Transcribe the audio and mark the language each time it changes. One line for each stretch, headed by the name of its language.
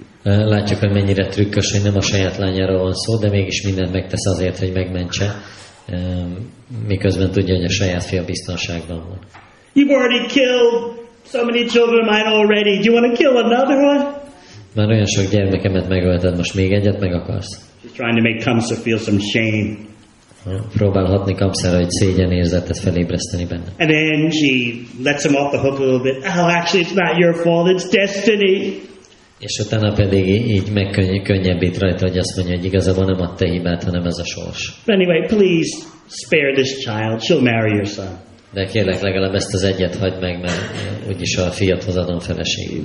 Hungarian: Látjuk, hogy mennyire trükkös, hogy nem a saját lányáról van szó, de mégis mindent megtesz azért, hogy megmentse, miközben tudja, hogy a saját fia biztonságban van.
English: You've already killed so many children of mine already. Do you want to kill another one?
Hungarian: Már olyan sok gyermekemet megölted, most még egyet meg akarsz?
English: She's trying to make Kamsa feel some shame.
Hungarian: Próbálhatni Kamsára egy szégyenérzetet felébreszteni benne.
English: And then she lets him off the hook a little bit. Oh, actually, it's not your fault, it's destiny.
Hungarian: És utána pedig így megkönnyebbít rajta, hogy azt mondja, hogy igazából nem a te hibát, hanem ez a sors.
English: But anyway, please spare this child. She'll marry your son.
Hungarian: De kérlek, legalább ezt az egyet hagyd meg, mert úgyis a fiathoz adom feleségül.